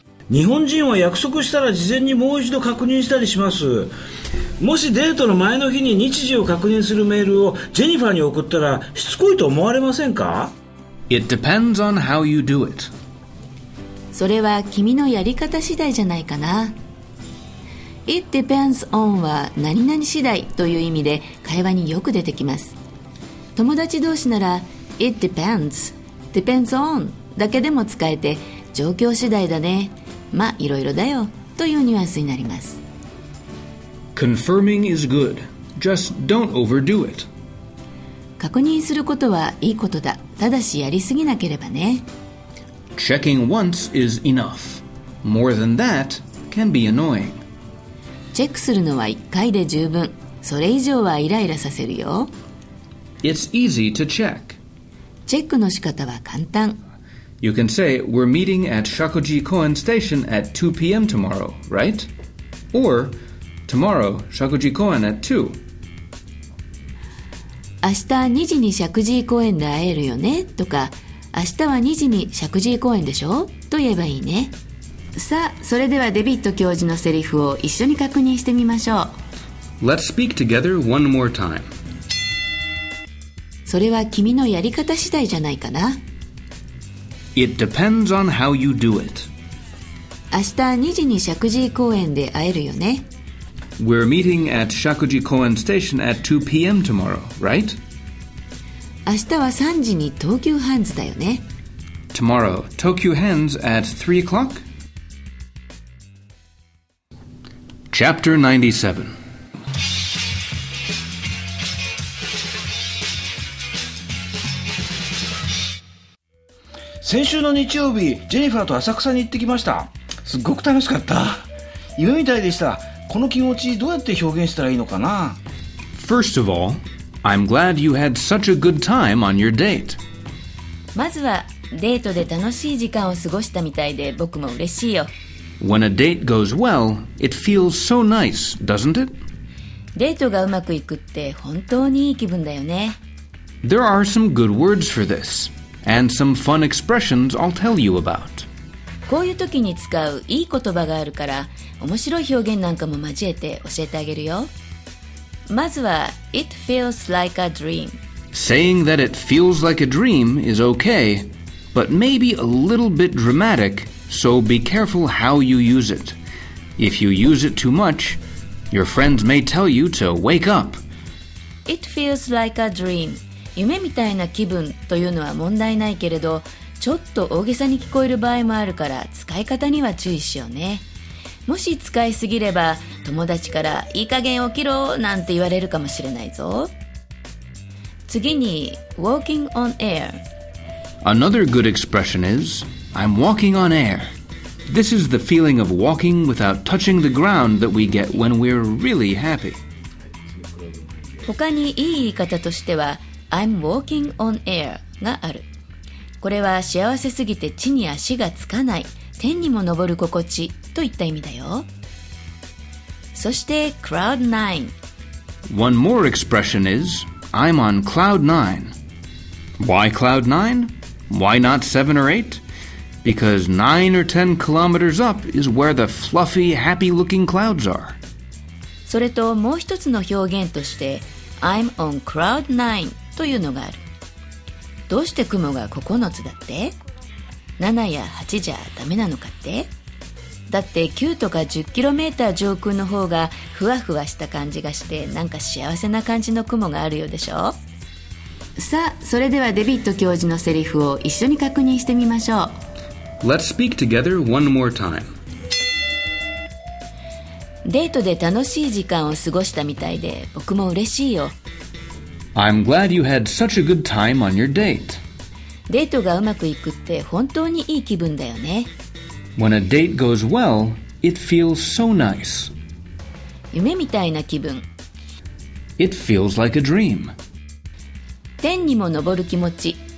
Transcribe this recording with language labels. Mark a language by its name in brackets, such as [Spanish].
[Japanese] 96. 日本人は約束したら事前にもう一度確認したりします。もしデートの前の日に日時を確認するメールをジェニファーに送ったらしつこいと思われませんか? [English] It depends on how you do it. [Japanese] それは君のやり方次第じゃないかな。 [English] It depends on [Japanese] は何々次第という意味で会話によく出てきます。友達同士なら It depends on だけでも使えて、状況次第だね、まあいろいろだよというニュアンスになります。 [English] Confirming is good. Just don't overdo it. [Japanese] 確認することはいいことだ、ただしやりすぎなければね。 [English] Checking once is enough. More than that can be annoying. [Japanese] チェックするのは一回で十分、それ以上はイライラさせるよ。 [English] It's easy to check. [Japanese] チェックの仕方は簡単。 [English] You can say, we're meeting at Shakuji Koen Station at 2 p.m. tomorrow, right? Or, tomorrow, Shakuji Koen at 2. [Japanese] 明日2時に Shakuji Koen で会えるよね、とか、明日は2時に Shakuji Koen でしょ、と言えばいいね。さあ、それではデビット教授のセリフを一緒に確認してみましょう。 [English] Let's speak together one more time. [Japanese] それは君のやり方次第じゃないかな。 [English] It depends on how you do it. [Japanese] 明日2時に Shakuji Koen で会えるよね。 [English] We're meeting at Shakuji Koen Station at 2 p.m. tomorrow, right? [Japanese] 明日は3時に東急ハンズだよね。 [English] Tomorrow, Tokyo Hands at 3 o'clock? Chapter 97 [Japanese] 先週の日曜日、ジェニファーと浅草に行ってきました。すっごく楽しかった。夢みたいでした。この気持ちどうやって表現したらいいのかな。 [English] First of all, I'm glad you had such a good time on your date. [Japanese] まずはデートで楽しい時間を過ごしたみたいで僕も嬉しいよ。 [English] When a date goes well, it feels so nice, doesn't it? [Japanese] デートがうまくいくって本当にいい気分だよね。 [English] There are some good words for this. And some fun expressions I'll tell you about. [Japanese] こういう時に使ういい言葉があるから、面白い表現なんかも交えて教えてあげるよ。まずは、 [English] It feels like a dream. Saying that it feels like a dream is okay, but maybe a little bit dramatic, so be careful how you use it. If you use it too much, your friends may tell you to wake up. It feels like a dream. [Japanese] 夢みたいな気分というのは問題ないけれど、ちょっと大げさに聞こえる場合もあるから使い方には注意しようね。もし使いすぎれば友達からいい加減起きろなんて言われるかもしれないぞ。次に [English] Walking on air. Another good expression is I'm walking on air. This is the feeling of walking without touching the ground that we get when we're really happy. [Japanese] 他にいい言い方としては [English] I'm walking on air [Japanese] がある。これは幸せすぎて地に足がつかない、天にも昇る心地といった意味だよ。そして cloud nine。 [English] One more expression is I'm on cloud nine. Why cloud nine? Why not seven or eight? Because nine or ten kilometers up is where the fluffy happy looking clouds are. [Japanese] それともう一つの表現として [English] I'm on cloud nine [Japanese] というのがある。どうして雲が9つだって、7や8じゃダメなのかって。だって9とか10キロメーター上空の方がふわふわした感じがして、なんか幸せな感じの雲があるようでしょ。さあ、それではデビット教授のセリフを一緒に確認してみましょう。 [English] Let's speak together one more time. [Japanese] デートで楽しい時間を過ごしたみたいで僕も嬉しいよ。 [English] I'm glad you had such a good time on your date. [Japanese] デートがうまくいくって本当にいい気分だよね。 [English] When a date goes well, it feels so nice. [Japanese] 夢みたいな気分。 [English] It feels like a dream. [Japanese] 天にも昇る気持ち。